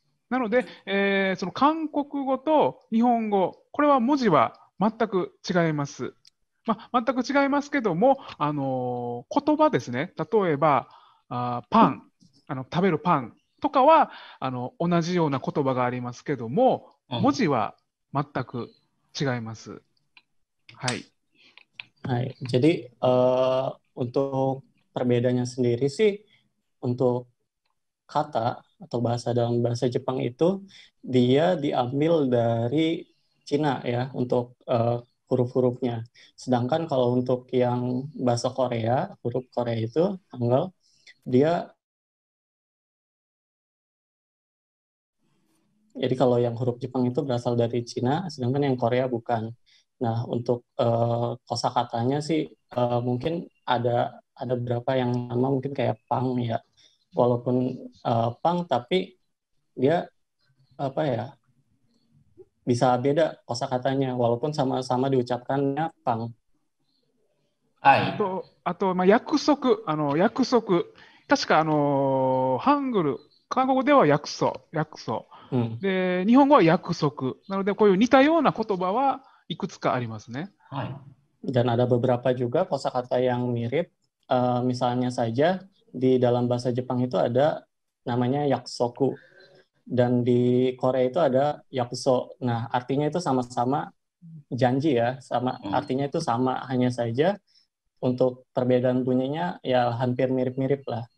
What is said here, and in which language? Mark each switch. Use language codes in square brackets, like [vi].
[ja] なので、その韓国語と日本語、これは文字は全く違います。全く違いますけども、言葉ですね。例えば、パン、食べるパンとかは、同じような言葉がありますけども、文字は全く違います。はい。はい。 [id] jadi, untuk perbedaannya sendiri sih, untuk kata atau bahasa dalam bahasa Jepang itu, dia diambil dari Cina ya, untuk huruf-hurufnya. Sedangkan kalau untuk yang bahasa Korea, huruf Korea itu, Hangul, dia... Jadi kalau yang huruf Jepang itu berasal dari Cina, sedangkan yang Korea bukan. Nah, untuk kosa katanya sih, mungkin ada beberapa yang sama, mungkin kayak pang ya. Walaupun pang, tapi dia, apa ya... bisa beda kosa katanya, walaupun sama-sama diucapkannya pang. [ja] あと、約束、約束。確か、ハングル、韓国では約束、約束。で、日本語は約束。なので、こういう似たような言葉はいくつかありますね。はい。 [id] Dan ada beberapa juga kosa kata yang mirip. Misalnya saja, di dalam bahasa Jepang itu ada namanya yakusoku. Dan di Korea itu ada yakuso. Nah, artinya itu sama-sama janji ya. Sama, artinya itu sama, hanya saja untuk perbedaan bunyinya ya hampir mirip-mirip lah.